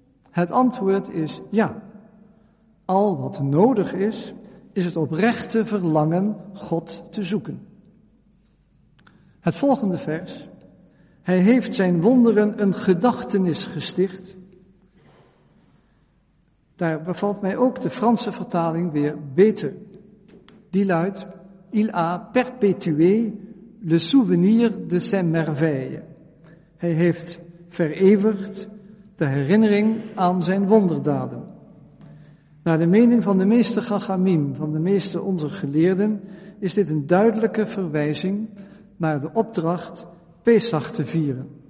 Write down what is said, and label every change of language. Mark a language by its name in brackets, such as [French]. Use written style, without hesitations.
[Dutch] Het antwoord is ja. Al wat nodig is, is het oprechte verlangen God te zoeken. Het volgende vers: hij heeft zijn wonderen een gedachtenis gesticht. Daar bevalt mij ook de Franse vertaling weer beter. [French] Die luidt: il a perpétué le souvenir de ses merveilles. [Dutch] Hij heeft vereeuwigd de herinnering aan zijn wonderdaden. Naar de mening van de meeste chachamim, van de meeste onze geleerden, is dit een duidelijke verwijzing naar de opdracht Pesach te vieren.